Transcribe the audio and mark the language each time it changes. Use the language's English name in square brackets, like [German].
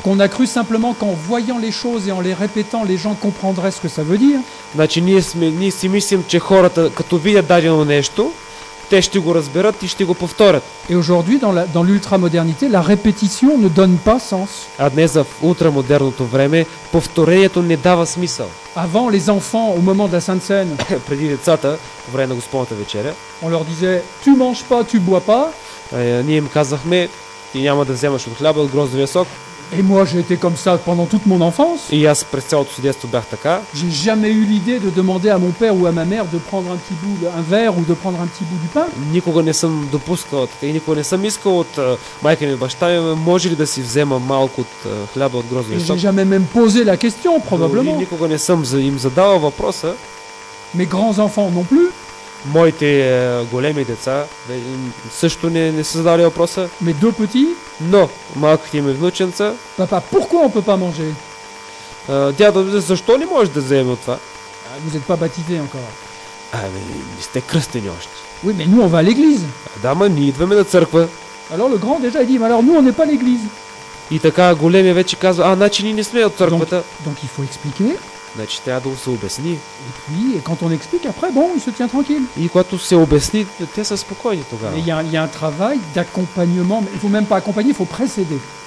[French] Qu'on a cru simplement qu'en voyant les choses et en les répétant, les gens comprendraient ce que ça veut dire. [Bulgarian] Значи ние си мислим, че хората като видят дадено нещо, те ще го разберат и ще го повторят. [French] Et aujourd'hui dans l'ultramodernité, la répétition ne donne pas sens. [Bulgarian] А днес в ултрамодерното време повторението не дава смисъл. [French] Avant les enfants au moment de la Sainte Cène, [Bulgarian] преди децата по време на Господната вечеря, [French] on leur disait tu manges pas, tu bois pas. [Bulgarian] Ние им казахме, ти няма да вземаш от хляба, от гроздовия сок. [French] Et moi j'ai été comme ça pendant toute mon enfance. [Bulgarian] И аз през цялото си детство бях така. [French] J'ai jamais eu l'idée de demander à mon père ou à ma mère de prendre un petit bout un verre ou de prendre un petit bout du pain. [Bulgarian] Никога не съм допускал така и никога не съм искал от майка ми и баща ми, може ли да си взема малко от хляба, от гроздовия сок. [French] J'ai jamais même posé la question probablement. [Bulgarian] Никога не съм им задавал въпроса. [French] Mes grands enfants non plus. [Bulgarian] Моите големи деца също не са задали въпроса. [French] Mes deux petits? [Bulgarian] Но малките ми внученца. [French] Papa, pourquoi on peut pas manger? [Bulgarian] Дядо, защо не може да заеме от това? [French] Vous n'êtes pas baptisé encore. Oui, mais nous, on va à l'église. Alors le grand déjà dit, mais alors nous, on n'est pas à l'église. [Bulgarian] И така големия вече казва, а, значи ние не сме от църквата. [French] Donc il faut expliquer. [Bulgarian] Значи трябва да се обясни. [French] Et puis, et quand on explique, après, bon, il se tient tranquille. [Bulgarian] И когато се обясни, те са спокойни тогава. [French] Mais il y a un travail d'accompagnement, mais il faut même pas accompagner, il faut précéder.